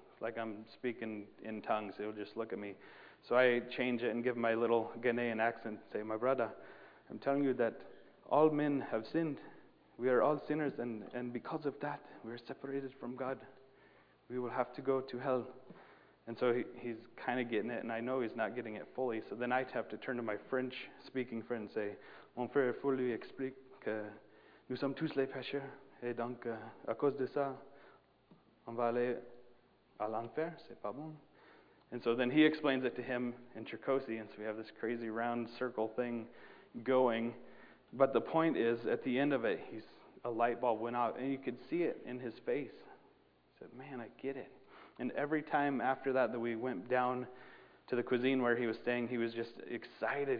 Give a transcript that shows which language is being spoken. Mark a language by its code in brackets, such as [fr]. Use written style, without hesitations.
[en] Like I'm speaking in tongues. He'll just look at me. So I change it and give my little Ghanaian accent and say, my brother, I'm telling you that all men have sinned. We are all sinners. And because of that, we're separated from God. We will have to go to hell. And so he's kind of getting it. And I know he's not getting it fully. So then I'd have to turn to my French-speaking friend and say, [fr] mon frère, il faut lui expliquer que nous sommes tous les pécheurs, et donc à cause de ça, on va aller à l'enfer, c'est pas bon. [en] And so then he explains it to him in Chukwosi, and so we have this crazy round circle thing going. But the point is, at the end of it, a light bulb went out, and you could see it in his face. He said, man, I get it. And every time after that we went down to the cuisine where he was staying, he was just excited.